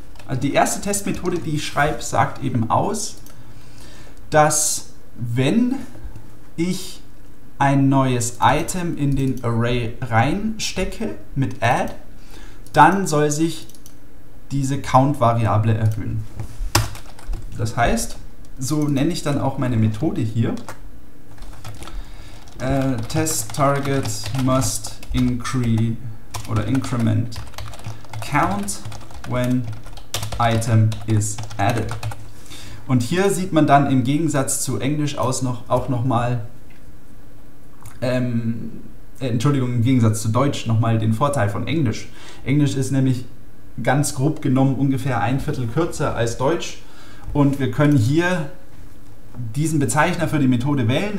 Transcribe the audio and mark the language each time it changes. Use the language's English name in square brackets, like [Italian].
[German] Also die erste Testmethode, die ich schreibe, sagt eben aus, dass wenn ich ein neues Item in den Array reinstecke mit add, dann soll sich diese Count-Variable erhöhen. Das heißt, so nenne ich dann auch meine Methode hier. [English] Test target must increment count when item is added. [German] Und hier sieht man dann im Gegensatz zu Englisch aus noch, auch nochmal, Entschuldigung, im Gegensatz zu Deutsch nochmal den Vorteil von Englisch. Englisch ist nämlich ganz grob genommen ungefähr ein Viertel kürzer als Deutsch und wir können hier diesen Bezeichner für die Methode wählen.